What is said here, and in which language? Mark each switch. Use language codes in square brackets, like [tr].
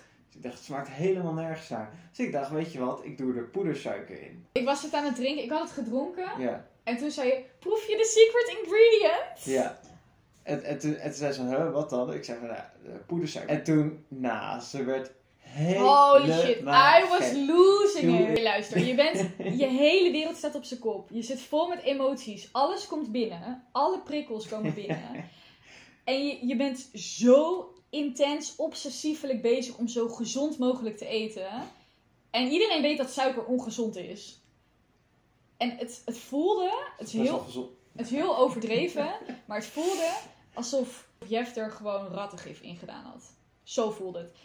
[nl] Dus ik dacht, het smaakt helemaal nergens naar. Dus ik dacht, weet je wat, ik doe er poedersuiker in. Ik was het aan het drinken. Ik had het gedronken. Ja. En toen zei je, proef je de [en] secret ingredient? [nl] Ja. En toen zei ze, wat dan? Ik zei, poedersuiker. En toen, ze werd helemaal gek. [en] Holy shit, I was losing it. [nl] Luister, je hele wereld staat op zijn kop. Je zit vol met emoties. Alles komt binnen. Alle prikkels komen binnen. En je bent zo intens, obsessiefelijk bezig om zo gezond mogelijk te eten. En iedereen weet dat suiker ongezond is. En het voelde, het is heel overdreven, maar het voelde alsof Jeff er gewoon rattengif in gedaan had. Zo voelde het.